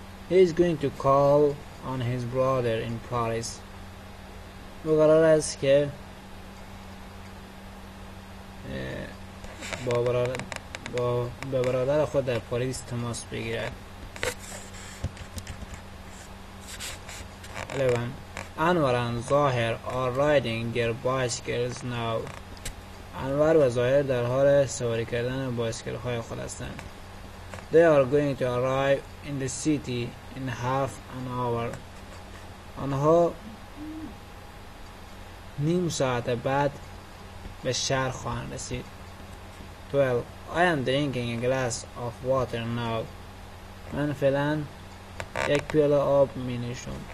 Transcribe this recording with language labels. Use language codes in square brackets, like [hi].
[en] He is going to call on his brother in Paris. [fa] او قرار است که با برادر خود در پاریس تماس بگیرد. [en] 11. Anwar and Zahir are riding their bicycles now. [fa] Anwar و Zahir در حال سواری کردن بایسکل های خود هستند. [en] They are going to arrive in the city in half an hour. [fa] آنها نیم ساعت بعد به شهر خواهند رسید. [en] 12. I am drinking a glass of water now. [fa] من فعلا یک پیاله آب می نوشم.